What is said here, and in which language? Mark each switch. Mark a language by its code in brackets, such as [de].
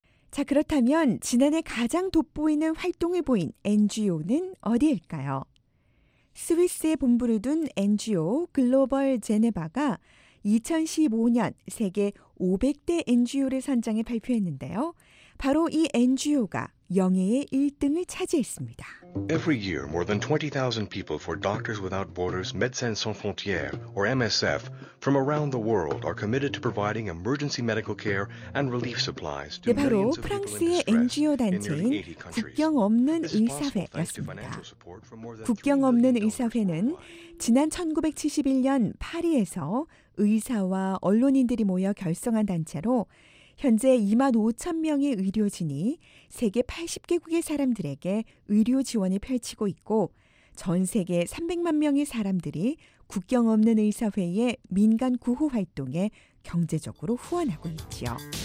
[ko] 자, 그렇다면 지난해 가장 돋보이는 활동을 보인 NGO는 어디일까요? 스위스에 본부를 둔 NGO 글로벌 제네바가 2015년 세계 500대 NGO를 선정해 발표했는데요. 바로 이 NGO가 영예의 1등을 차지했습니다. [en] Every year, more than 20,000 people for Doctors Without Borders, Médecins Sans Frontières, or MSF from around the world are committed to providing emergency medical care and relief supplies to millions of people in distress in nearly 80 countries. [ko] 국경 없는 의사회였습니다. 국경 없는 의사회는 지난 1971년 파리에서 의사와 언론인들이 모여 결성한 단체로 현재 2만 5천 명의 의료진이 세계 80개국의 사람들에게 의료 지원을 펼치고 있고, 전 세계 300만 명의 사람들이 국경 없는 의사회의 민간 구호 활동에 경제적으로 후원하고 있지요.